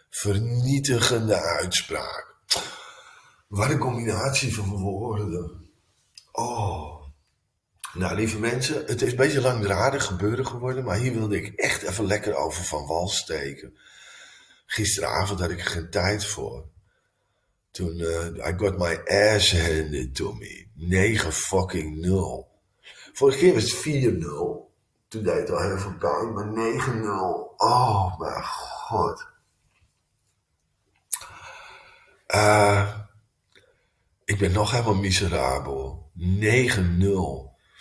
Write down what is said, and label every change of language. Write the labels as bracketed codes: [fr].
[nl] Vernietigende uitspraak. Wat een combinatie van woorden. Oh. Nou, lieve mensen, het is een beetje langdradig gebeuren geworden. Maar hier wilde ik echt even lekker over van wal steken. Gisteravond had ik er geen tijd voor. Toen, [en] I got my ass handed to me. [nl] 9-0. Vorige keer was het 4-0. Toen deed het al heel veel pijn, maar 9-0. Oh, mijn god. Ik ben nog helemaal miserabel. 9-0.